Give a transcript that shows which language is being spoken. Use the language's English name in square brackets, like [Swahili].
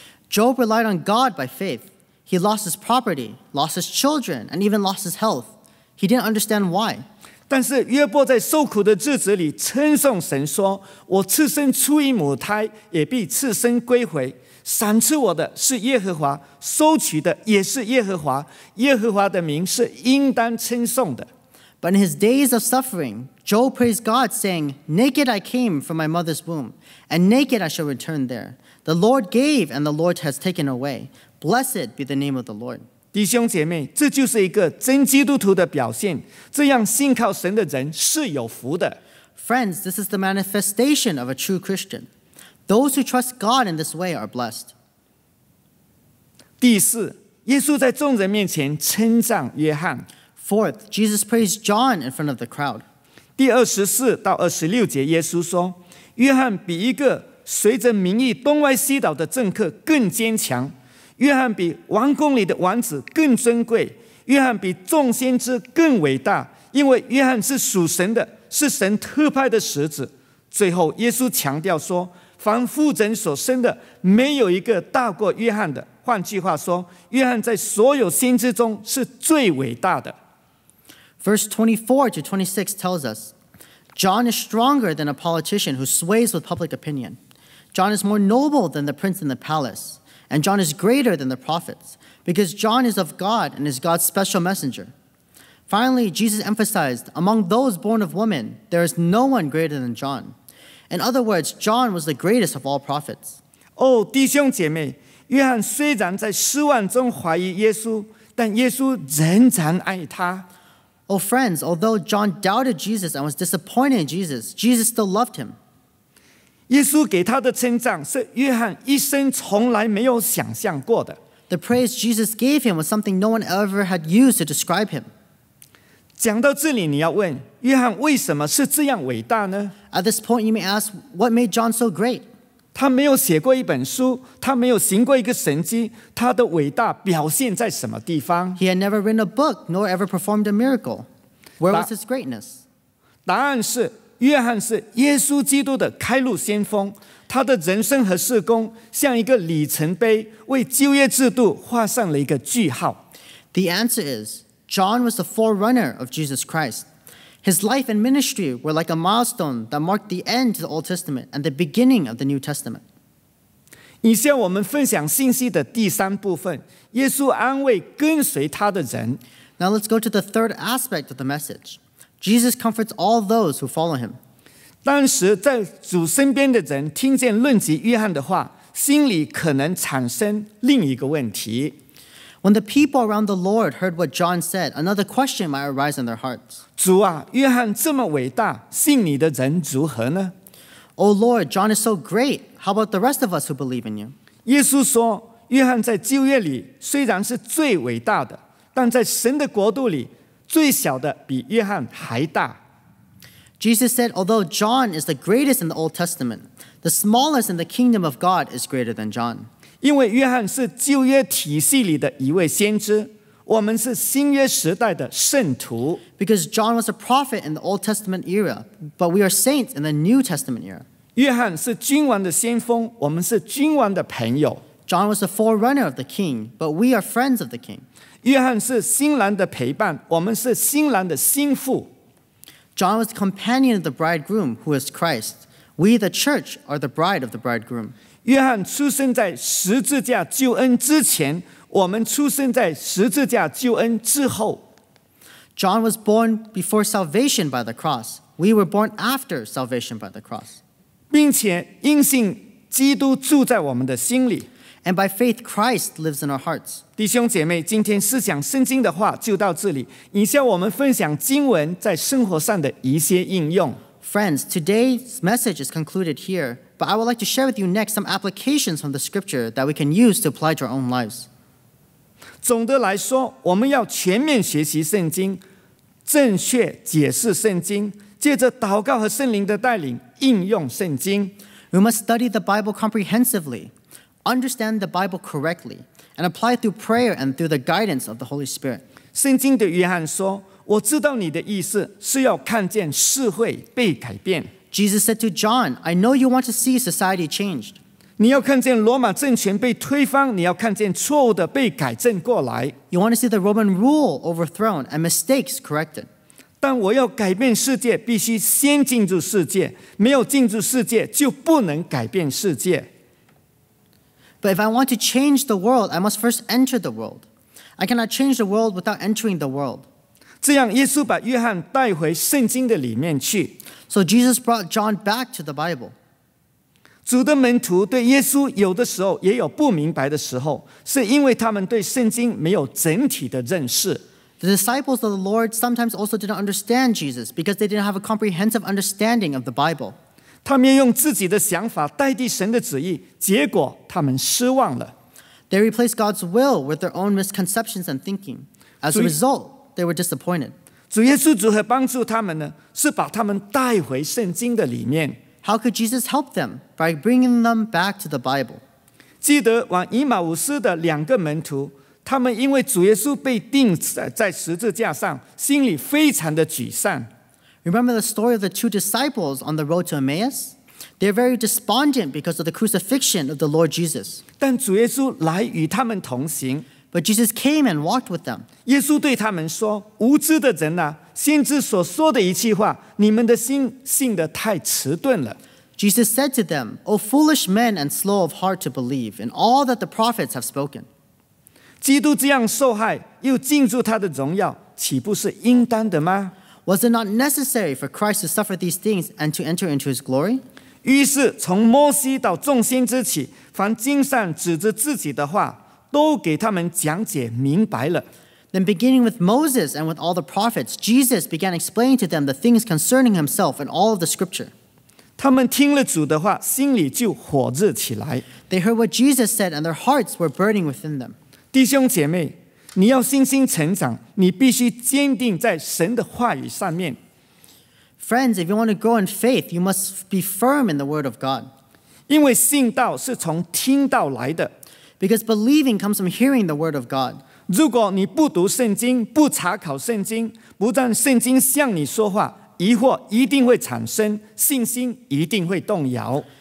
[English] Job relied on God by faith. He lost his property, lost his children, and even lost his health. He didn't understand why. [Chinese] 但是约伯在受苦的日子里称颂神说，我赐生出于母胎，也必赐生归回。赏赐我的是耶和华，收取的也是耶和华。耶和华的名是应当称颂的。 [English] But in his days of suffering, Job praised God, saying, Naked I came from my mother's womb, and naked I shall return there. The Lord gave, and the Lord has taken away. Blessed be the name of the Lord. [Chinese] 弟兄姐妹，这就是一个真基督徒的表现，这样信靠神的人是有福的。 [English] Friends, this is the manifestation of a true Christian. Those who trust God in this way are blessed. [Chinese] 第四，耶稣在众人面前称赞约翰。 [English] Fourth, Jesus praised John in front of the crowd. [Chinese] 第二十四到二十六节，耶稣说：“约翰比一个随着民意东歪西倒的政客更坚强，约翰比王宫里的王子更尊贵，约翰比众先知更伟大，因为约翰是属神的，是神特派的使者。” 最后，耶稣强调说：“凡父神所生的，没有一个大过约翰的。” 换句话说，约翰在所有先知中是最伟大的。 [English] Verse 24 to 26 tells us, John is stronger than a politician who sways with public opinion. John is more noble than the prince in the palace, and John is greater than the prophets, because John is of God and is God's special messenger. Finally, Jesus emphasized, among those born of woman, there is no one greater than John. In other words, John was the greatest of all prophets. [Chinese] 哦，弟兄姐妹，约翰虽然在失望中怀疑耶稣，但耶稣仍然爱他。 [English] Oh, friends, although John doubted Jesus and was disappointed in Jesus, Jesus still loved him. [Chinese] 耶稣给他的称赞是约翰一生从来没有想象过的。 [English] The praise Jesus gave him was something no one ever had used to describe him. [Chinese] 讲到这里，你要问约翰为什么是这样伟大呢？ [English] At this point, you may ask, what made John so great? [Chinese] 他没有写过一本书，他没有行过一个神迹，他的伟大表现在什么地方？ [English] He had never written a book, nor ever performed a miracle. Where was his greatness? [Chinese] 答案是，约翰是耶稣基督的开路先锋，他的人生和事工像一个里程碑，为旧约制度画上了一个句号。 [English] The answer is, John was the forerunner of Jesus Christ. His life and ministry were like a milestone that marked the end of the Old Testament and the beginning of the New Testament. [Chinese] 以下我们分享信息的第三部分，耶稣安慰跟随他的人。 [English] Now let's go to the third aspect of the message. Jesus comforts all those who follow him. [Chinese] 当时在主身边的人听见论及约翰的话，心里可能产生另一个问题。 [English] When the people around the Lord heard what John said, another question might arise in their hearts. [Chinese] 主啊，约翰这么伟大，信你的人如何呢？ [English] Oh Lord, John is so great. How about the rest of us who believe in you? [Chinese] 耶稣说，约翰在旧约里虽然是最伟大的，但在神的国度里，最小的比约翰还大。 [English] Jesus said, although John is the greatest in the Old Testament, the smallest in the kingdom of God is greater than John. [Chinese] 因为约翰是旧约体系里的一位先知，我们是新约时代的圣徒。 [English] Because John was a prophet in the Old Testament era, but we are saints in the New Testament era. [Chinese] 约翰是君王的先锋，我们是君王的朋友。 [English] John was a forerunner of the king, but we are friends of the king. [Chinese] 约翰是新郎的陪伴，我们是新郎的心腹。 [English] John was the companion of the bridegroom, who is Christ. We, the church, are the bride of the bridegroom. [Chinese] 约翰出生在十字架救恩之前，我们出生在十字架救恩之后。 [English] John was born before salvation by the cross. We were born after salvation by the cross. [Chinese] 并且因信基督住在我们的心里。 [English] And by faith, Christ lives in our hearts. [Chinese] 弟兄姐妹，今天思想圣经的话就到这里。以下我们分享经文在生活上的一些应用。 [English] Friends, today's message is concluded here. But I would like to share with you next some applications from the scripture that we can use to apply to our own lives. [Chinese] 总的来说，我们要全面学习圣经，正确解释圣经，借着祷告和圣灵的带领应用圣经。 [English] We must study the Bible comprehensively, understand the Bible correctly, and apply through prayer and through the guidance of the Holy Spirit. [Chinese] 圣经对约翰说，我知道你的意思是要看见社会被改变。 [English] Jesus said to John, I know you want to see society changed. [Chinese] 你要看见罗马政权被推翻，你要看见错误的被改正过来。 [English] You want to see the Roman rule overthrown and mistakes corrected. [Chinese] 但我要改变世界，必须先进入世界，没有进入世界，就不能改变世界。 [English] But if I want to change the world, I must first enter the world. I cannot change the world without entering the world. [Chinese] 这样耶稣把约翰带回圣经的里面去。 [English] So Jesus brought John back to the Bible. [Chinese] 主的门徒对耶稣有的时候也有不明白的时候，是因为他们对圣经没有整体的认识。 [English] The disciples of the Lord sometimes also didn't understand Jesus because they didn't have a comprehensive understanding of the Bible. [Chinese] 他们用自己的想法代替神的旨意，结果他们失望了。 [English] They replaced God's will with their own misconceptions and thinking. As a result, they were disappointed. [Chinese] 主耶稣如何帮助他们呢？是把他们带回圣经的里面。 [English] How could Jesus help them? By bringing them back to the Bible. [Chinese] 记得往以马忤斯的两个门徒，他们因为主耶稣被钉在十字架上，心里非常的沮丧。 [English] Remember the story of the two disciples on the road to Emmaus? They're very despondent because of the crucifixion of the Lord Jesus. [Chinese] 但主耶稣来与他们同行。 [English] But Jesus came and walked with them. [Chinese] 耶稣对他们说，无知的人啊，先知所说的一句话，你们的心信得太迟钝了。 [English] Jesus said to them, O foolish men and slow of heart to believe in all that the prophets have spoken. [Chinese] 基督这样受害，又进入他的荣耀，岂不是应当的吗？ [English] Was it not necessary for Christ to suffer these things and to enter into his glory? [Chinese] 于是从摩西到众先知起，凡经上指着自己的话，都给他们讲解明白了。 [English] Then beginning with Moses and with all the prophets, Jesus began explaining to them the things concerning himself and all of the scripture. [Chinese] 他们听了主的话，心里就火热起来。 [English] They heard what Jesus said and their hearts were burning within them. [Chinese] 弟兄姐妹，你要信心成长，你必须坚定在神的话语上面。 [English] Friends, if you want to grow in faith, you must be firm in the word of God. [Chinese] 因为信道是从听道来的。 [English] Because believing comes from hearing the word of God. [Chinese] 如果你不读圣经，不查考圣经，不让圣经向你说话，疑惑一定会产生，信心一定会动摇。